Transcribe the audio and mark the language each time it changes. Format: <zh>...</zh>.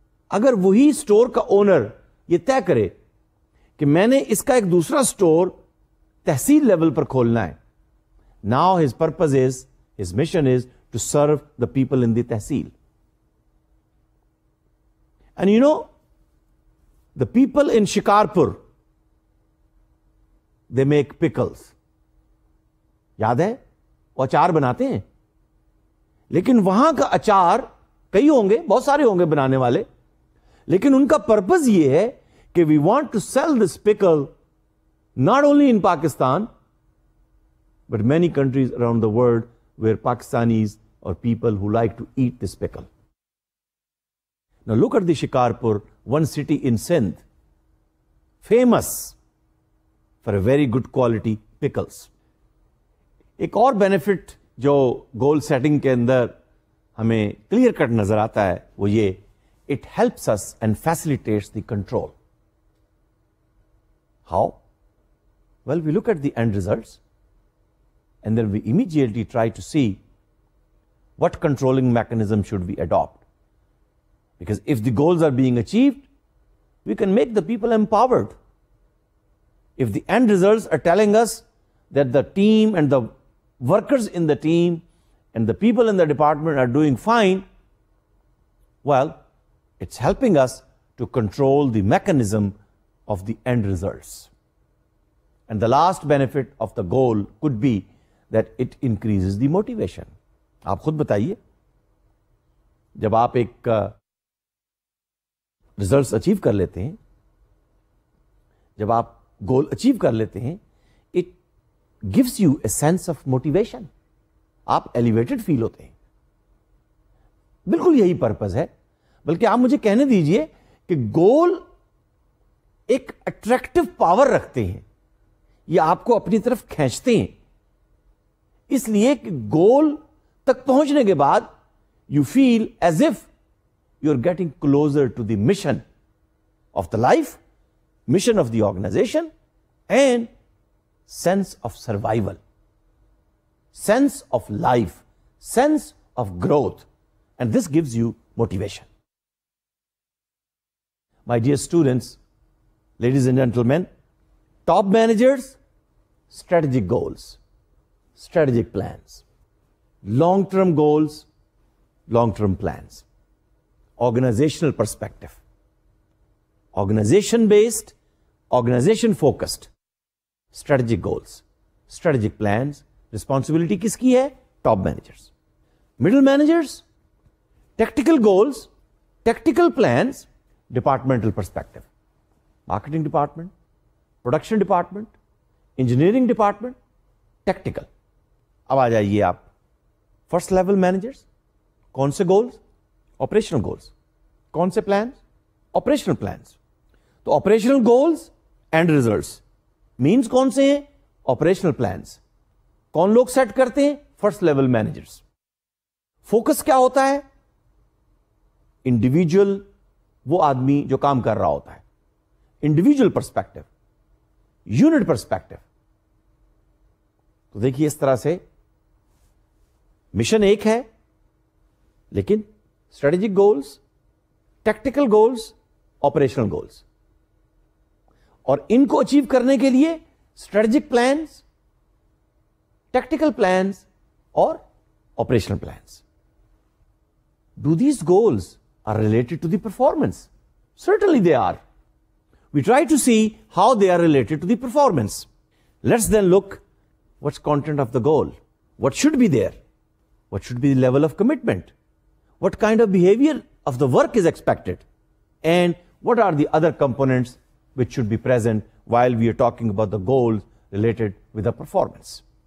<ur>اگر وہی اسٹور کا اونر یہ طے کرے کہ میں نے اس کا ایک دوسرا اسٹور تحصیل لیول پر کھولنا ہے،</ur> <en>Now his purpose is, his mission is to serve the people in the tehsil. And you know the people in Shikarpur they make pickles.</en> <ur>یاد ہے وہ اچار بناتے ہیں، لیکن وہاں کا اچار کئی ہوں گے، بہت سارے ہوں گے بنانے والے، لیکن ان کا پرپز یہ ہے کہ</ur> <en>we want to sell this pickle</en> <ur>not only in Pakistan but many countries around the world where Pakistanis اور people ہو like to at this پیکل.</ur> <en>نا look at the Shikarpur, one city in Sindh, famous for a very good quality pickles.</en> <ur>ایک اور benefit جو goal setting کے اندر ہمیں clear cut نظر آتا ہے وہ یہ،</ur> <en>It helps us and facilitates the control. How? Well we look at the end results and then we immediately try to see what controlling mechanism should be adapt, because if the goals are being achieved we can make the people empowered.</en> <ur>If the end results are telling اس that the team</ur> <en>And the workers in the team and the people in the department are doing fine, well, it's helping us to control the mechanism of the end results. And the last benefit of the goal could be that it increases the motivation.</en> <ur>آپ خود بتائیے جب آپ ایک results achieve کر لیتے ہیں، جب آپ goal achieve کر لیتے ہیں،</ur> <en>gives you a sense of motivation.</en> <ur>آپ elevated feel ہوتے ہیں. بالکل یہی purpose ہے. بلکہ آپ مجھے کہنے دیجئے کہ goal ایک attractive power رکھتے ہیں، یہ آپ کو اپنی طرف کھینچتے ہیں. اس لیے کہ goal تک پہنچنے کے بعد</ur> <en>you feel as if you are getting closer to the mission of the life, mission of the organization and sense of survival, sense of life, sense of growth, and this gives you motivation. My dear students, ladies and gentlemen, top managers, strategic goals, strategic plans, long-term goals, long-term plans, organizational perspective, organization-based, organization-focused, strategic goals, strategic plans.</en> <ur>Responsibility کس کی ہے؟</ur> <en>Top managers. Middle managers, tactical goals, tactical plans, departmental perspective. Marketing department, production department, engineering department, tactical.</en> <ur>اب آ جائیے آپ</ur> <en>first level managers.</en> <ur>کون سے goals?</ur> <en>Operational goals.</en> <ur>کون سے plans?</ur> <en>Operational plans. تو operational goals and results.</en> <ur>Means کون سے ہیں؟ Operational plans. کون لوگ سیٹ کرتے ہیں؟ First level managers. فوکس کیا ہوتا ہے؟ انڈیویجل، وہ آدمی جو کام کر رہا ہوتا ہے، انڈیویجل پرسپیکٹو، یونٹ پرسپیکٹو. تو دیکھیے اس طرح سے مشن ایک ہے لیکن strategic goals, tactical goals, operational goals, اور ان کو اچیو کرنے کے لیے اسٹریٹجک پلانس، ٹیکٹیکل پلانس اور operational plans.</ur> <en>Do these goals are related to the performance? Certainly they are. We try to see how they are related to the performance. Let's then look what's content of the goal, what should be there, what should be the level of commitment, what kind of behavior of the work is expected, and what are the other components which should be present while we are talking about the goals related with the performance.</en>